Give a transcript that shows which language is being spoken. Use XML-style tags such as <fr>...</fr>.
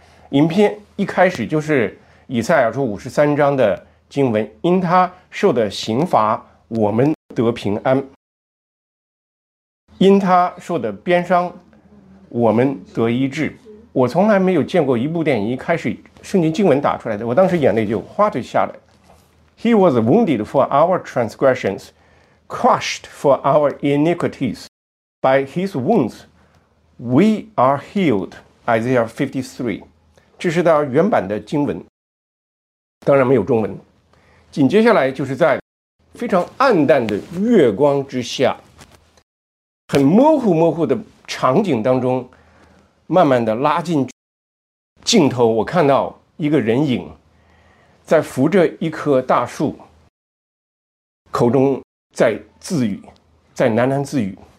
<zh>影片一开始就是以赛亚书53章的经文，因他受的刑罚我们得平安，因他受的鞭伤我们得医治。我从来没有见过一部电影一开始圣经经文打出来的，我当时眼泪就哗就下来。</zh> <en>He was wounded for our transgressions, crushed for our iniquities. By his wounds, we are healed.</en> <zh>Isaiah 53. 这是他原版的经文，当然没有中文。紧接下来就是在非常暗淡的月光之下，很模糊的场景当中，慢慢的拉近镜头，我看到一个人影在扶着一棵大树，口中在自语，在喃喃自语。</zh>